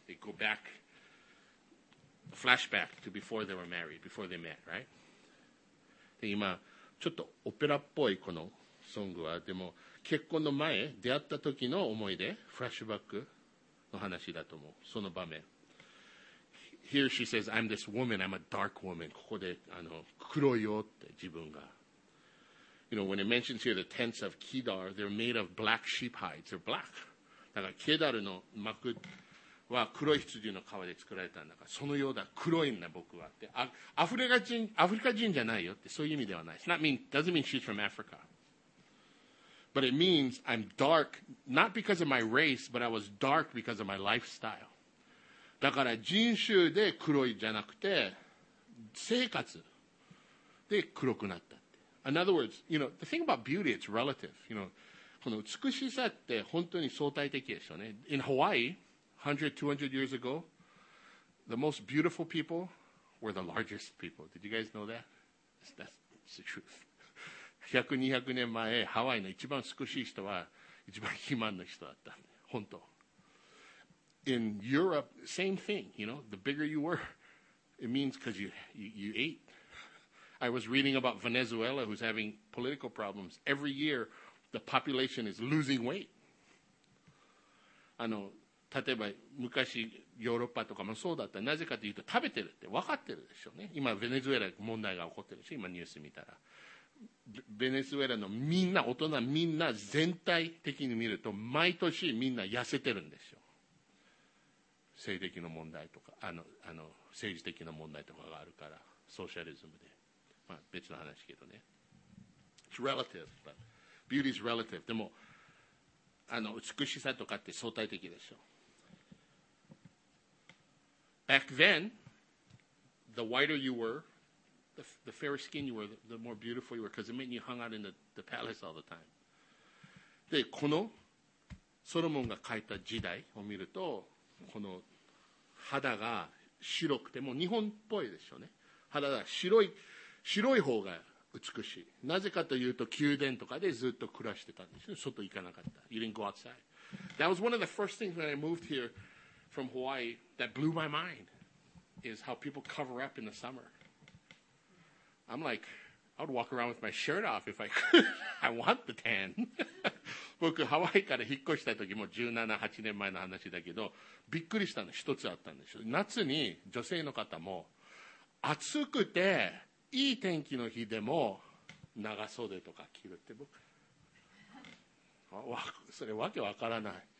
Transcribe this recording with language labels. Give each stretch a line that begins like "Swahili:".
English: They go back, flashback to before they were married, before they met, right?
Japanese: で今ちょっとオペラっぽいこのソングは、でも結婚の前、出会った時の思い出、フラッシュバックの話だと思う、その場面。
English: Here she says, I'm this woman, I'm a dark woman.
Japanese: ここで黒いよって自分が。
English: You know, when it mentions here the tents of Kedar, they're made of black sheep hides. They're black.
Japanese: だから、ケダルの幕は黒い羊の皮で作られたんだから、そのようだ、黒いんだ、僕はって。アフリカ人じゃないよって、そういう意味ではない。
English: It's not mean, doesn't mean she's from Africa. But it means I'm dark, not because of my race, but I was dark because of my lifestyle.
Japanese: だから、人種で黒いじゃなくて、生活で黒くなった。
English: In other words, you know, the thing about beauty, it's relative. You know,
Japanese: この美しさって本当に相対的でしょうね。
English: In Hawaii, 100, 200 years ago, the most beautiful people were the largest people. Did you guys know that? That's the truth.
Japanese: 100, 200年前、ハワイの一番美しい人は一番肥満の人だった。本当。
English: In Europe, same thing, you know, the bigger you were, it means because you ate. I was reading about Venezuela, who's having political problems. Every year, the population is losing weight.
Japanese: 例えば昔ヨーロッパとかもそうだった。なぜかというと食べてるって分かってるでしょうね。今ベネズエラ問題が起こってるし、今ニュース見たら、ベネズエラのみんな大人みんな全体的に見ると毎年みんな痩せてるんですよ。性的な問題とか政治的な問題とかがあるから、ソーシャリズムで。別の話けどね。
English: It's relative, but beauty is relative.
Japanese: でも美しさとかって相対的でしょ。
English: Back then, the whiter you were, the fairer skin you were, the more beautiful you were, because it meant you hung out in the palace all the time.
Japanese: で、このソロモンが書いた時代を見ると、この肌が白くて、もう日本っぽいでしょうね。肌が白い方が美しい。なぜかというと、宮殿とかでずっと暮らしてたんですよ。外行かなかった。
English: You didn't go outside. That was one of the first things when I moved here from Hawaii that blew my mind is how people cover up in the summer. I'm like, I would walk around with my shirt off if I could. I want the tan.
Japanese: 僕、ハワイから引っ越した時も17、8年前の話だけど、びっくりしたの一つあったんですよ。夏に女性の方も暑くて、いい天気の日でも長袖とか着るって僕それわけわからない。